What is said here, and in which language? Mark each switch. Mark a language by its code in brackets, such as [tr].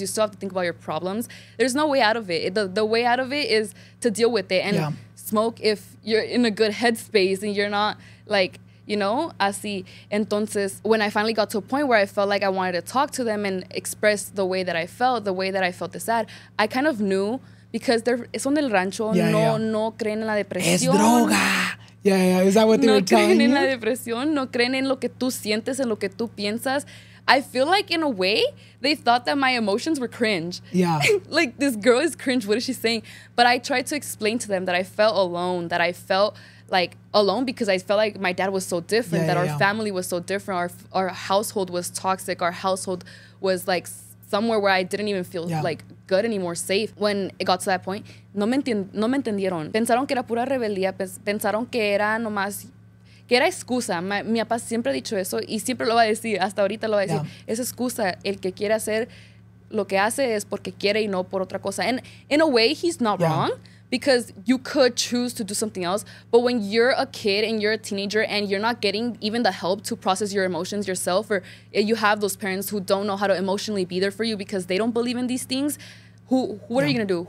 [en] You still have to think about your problems. There's no way out of it. The way out of it is to deal with it. And smoke if you're in a good headspace and you're not like, you know, [es] así. [en] Entonces, when I finally got to a point where I felt like I wanted to talk to them and express the way that I felt, the way that I felt the sad, I kind of knew because they're [es] son del rancho. No creen en la depresión. Es droga. [en] Is that what they were telling you? [es] No creen en la depresión, no creen en lo que tú sientes, en lo que tú piensas. [en] I feel like, in a way, they thought that my emotions were cringe. Yeah. Like, this girl is cringe, what is she saying? But I tried to explain to them that I felt alone, that I felt, like, alone because I felt like my dad was so different, our family was so different, our household was toxic, our household was, like, somewhere where I didn't even feel, like, good anymore, safe. [es] When it got to that point, no me entendieron. Pensaron que era pura rebeldía. Pensaron que era nomás, que era excusa. Mi papá siempre ha dicho eso y siempre lo va a decir. Hasta ahorita lo va a decir. Yeah. Es excusa. El que quiere hacer lo que hace es porque quiere y no por otra cosa. [en] And in a way, he's not wrong because you could choose to do something else. But when you're a kid and you're a teenager and you're not getting even the help to process your emotions yourself, or you have those parents who don't know how to emotionally be there for you because they don't believe in these things, what are you gonna do?